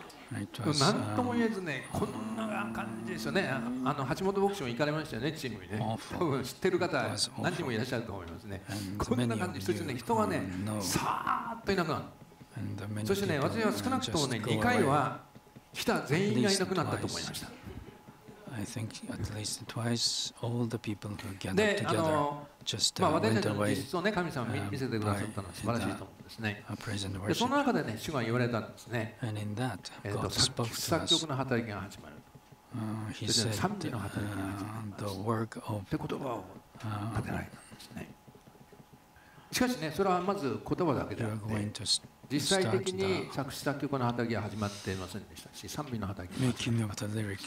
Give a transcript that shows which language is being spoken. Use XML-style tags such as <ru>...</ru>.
<ja>何とも言えずね、こんな感じですよね。あの橋本牧師も行かれましたよね、チームにね。多分知ってる方何人もいらっしゃると思いますね。こんな感じ、一つね、人がね、さーっといなくなる。そしてね、私は少なくともね、2回は来た全員がいなくなったと思いました。</ja> <en>I think at least twice all the people who gathered together just went away.</en> <ja>実をね、神様見せてくださったのは素晴らしいと思うんですね。で、その中でね、主が言われたんですね。</ja> <en>And in that, God spoke to us.</en> <ja>作曲の働きが始まると。</ja> <en>He said,</en> <ja>賛美の働きが始まる。</ja> <en>The work of</en> <ja>って言葉を立てられたんですね。しかしね、それはまず言葉だけであって、実際的に作詞作曲の働きは始まっていませんでしたし、賛美の働きも始まってい</ja>